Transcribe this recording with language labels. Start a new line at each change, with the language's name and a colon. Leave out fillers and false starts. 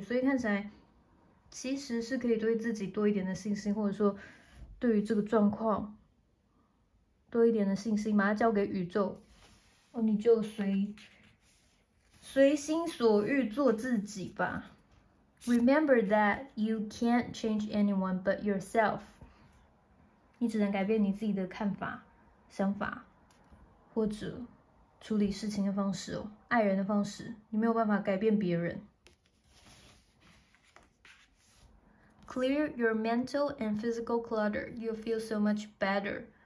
Chinese: 所以看起来，其实是可以对自己多一点的信心，或者说对于这个状况多一点的信心，把它交给宇宙，你就随心所欲做自己吧。
English: Remember that you can't change anyone but yourself.
Chinese: 你只能改变你自己的看法、想法，或者处理事情的方式爱人的方式，你没有办法改变别人。
English: Clear your mental and physical clutter. You'll feel so much better.